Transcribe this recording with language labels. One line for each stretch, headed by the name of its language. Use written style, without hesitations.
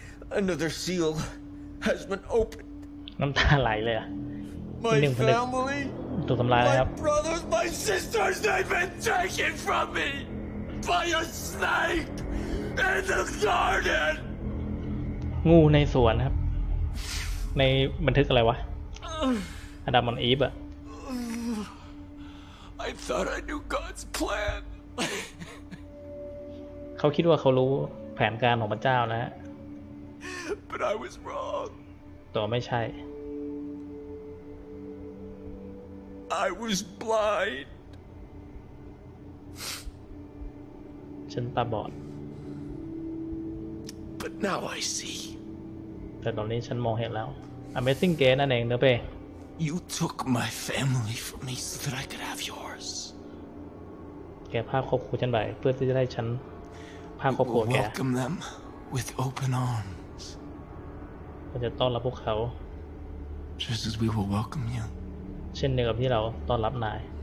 English: Another seal has been opened.
Thai: น้ำตาไหลเลยอ่ะ
English: My family,
Thai: ตัวทำลายเลยครับ
English: My brothers, my sisters, they've been taken from me by a snake in the garden.
Thai: งูในสวนครับในบันทึกอะไรวะอาดัมออนอีฟอ่ะ
English: I thought I knew God's plan.
Thai: เขาคิดว่าเขารู้แผนการของพระเจ้านะฮะ
English: But I was wrong.
Thai: ตัวไม่ใช่
English: I was blind.
Thai: ฉันตาบอด
English: But now I see.
Thai: แต่ตอนนี้ฉันมองเห็นแล้ว Amazing Gate นั่นเองเด้อเป้
English: You took my family from me so that I could have yours.
Thai: แกพาครอบครัวฉันไปเพื่อที่จะได้ฉันพาครอบครัวแก
English: Welcome them with open arms
Thai: เราจะต้อนรับพวกเขา
English: Just as we will welcome you
Thai: เช่นเดียวกับที่เราต้อนรับนาย